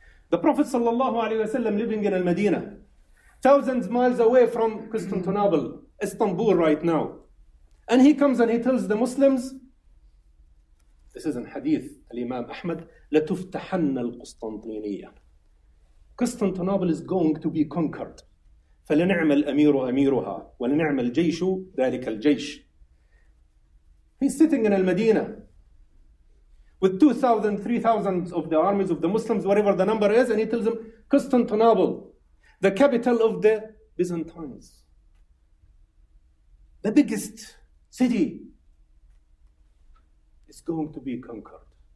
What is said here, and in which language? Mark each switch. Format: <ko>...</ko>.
<en>The Prophet sallallahu alayhi wa sallam living in Al-Madinah, thousands of miles away from Constantinople, Istanbul right now. And he comes and he tells the Muslims, this is in Hadith Al-Imam Ahmad,</en> <ar>لَتُفْتَحَنَّ الْقُسْطَنْطِينِيَّةِ</ar> <en>Constantinople is going to be conquered.</en> <ar>فلنعم الأمير أميرها ولنعم الجيش ذلك الجيش.</ar> <en>He's sitting in Al-Madinah with 2,000, 3,000 of the armies of the Muslims, whatever the number is, and he tells them, Constantinople, the capital of the Byzantines, the biggest city, is going to be conquered.</en>